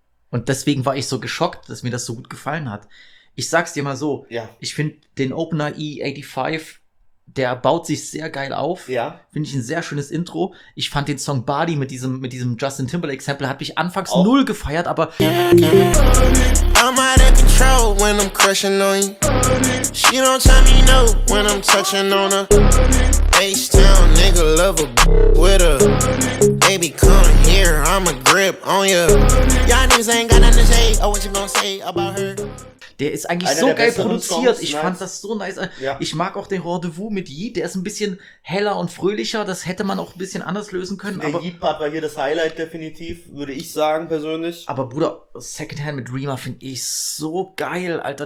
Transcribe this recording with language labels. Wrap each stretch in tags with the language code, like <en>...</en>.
<de>Und deswegen war ich so geschockt, dass mir das so gut gefallen hat. Ich sag's dir mal so, ich finde den Opener E85, der baut sich sehr geil auf. Ja. Finde ich ein sehr schönes Intro. Ich fand den Song Body mit diesem Justin Timberlake-Sample, hat mich anfangs null gefeiert, aber...</de> <en>I'm out of control when I'm crushing on you. She don't tell me no when I'm touching on her. H-Town nigga love a with her. Baby, come here, I'm a grip on ya. Y'all niggas ain't got nothing to say. Oh, what you gonna say about her?</en> <de>Der ist eigentlich so geil produziert. Ich fand das so nice. Ja. Ich mag auch den Rendezvous mit Yi. Der ist ein bisschen heller und fröhlicher. Das hätte man auch ein bisschen anders lösen können. Der Yi-Part war hier das Highlight definitiv, würde ich sagen persönlich. Aber Bruder, Secondhand mit Rima finde ich so geil, Alter.</de>